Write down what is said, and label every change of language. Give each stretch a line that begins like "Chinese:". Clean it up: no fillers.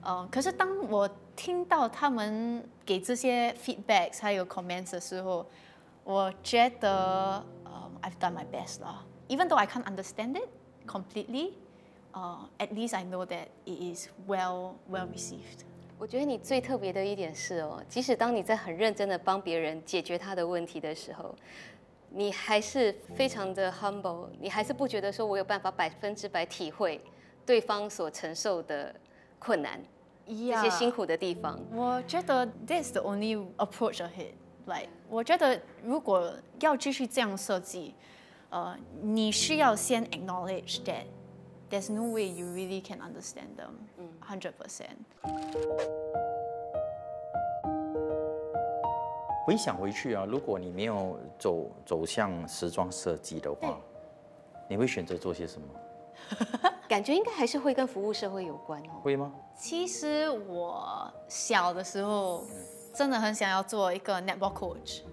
Chinese: 可是当我听到他们给这些 feedbacks 还有 comments 的时候，我觉得
English: I've done my best
Chinese: 啦。
English: Even though I can't understand it completely, at least I know that it is well received.
Chinese: 我觉得你最特别的一点是，即使当你在很认真的帮别人解决他的问题的时候，你还是非常的 humble， 你还是不觉得说我有办法百分之百体会对方所承受的困难，
English: yeah,
Chinese: 这些辛苦的地方。我觉得
English: this the only approach ahead。
Chinese: 我觉得如果要继续这样设计，你需要先
English: acknowledge that。 There's no way you really can understand them 100%.
Chinese: 回想回去啊，如果你没有走向时装设计的话，你会选择做些什么？感觉应该还是会跟服务社会有关哦。会吗？其实我小的时候真的很想要做一个 netball coach。